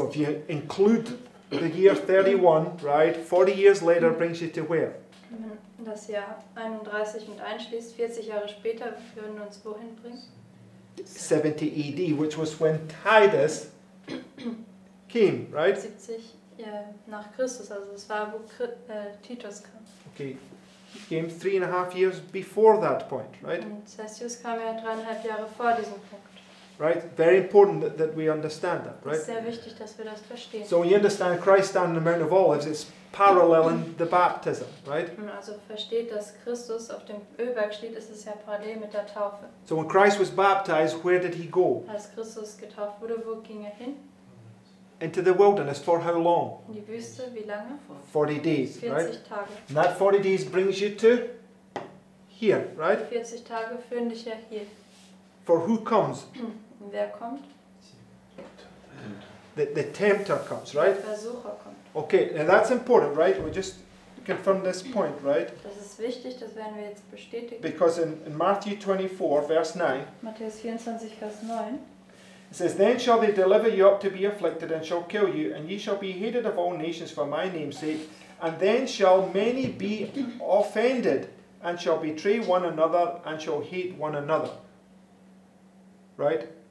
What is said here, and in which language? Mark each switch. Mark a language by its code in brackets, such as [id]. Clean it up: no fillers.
[en] So if you include the year 31, right? 40 years later brings you to where? [de] Das Jahr 31 mit einschließt, 40 Jahre später führen uns wohin bringen? [en] 70 AD, which was when Titus came, right? [de] 70 nach Christus, also es war, wo Titus kam. [en] Okay, he came 3.5 years before that point, right? [de] Und Cestius kam ja 3.5 Jahre vor diesem Punkt. [en] Right, very important that we understand that, right? [de] Sehr wichtig, dass wir das verstehen. [en] So you understand Christ standing on the Mount of Olives is paralleling the baptism, right? [de] Also versteht, dass Christus auf dem Ölberg steht, ist es ja parallel mit der Taufe. [en] So when Christ was baptized, where did he go? [de] Als Christus getauft wurde, wo ging er hin? [en] Into the wilderness for how long? [de] In die Wüste, wie lange? [en] 40 days, [de] 40 [en] right? [de] Tage. [en] And that 40 days brings you to here, right? [de] 40 Tage führen dich ja hier. [en] For who comes? [de] Wer kommt? [en] The tempter comes, right? [de] Der Versucher kommt. [en] Okay, now that's important, right? We just confirm this point, right? [de] Das ist wichtig, das werden wir jetzt bestätigen. [en] Because in Matthew 24, verse 9, [de] Matthäus 24, Vers 9, [en] it says, Then shall they deliver you up to be afflicted, and shall kill you, and ye shall be hated of all nations for my name's sake, and then shall many be offended, and shall betray one another, and shall hate one another. Right?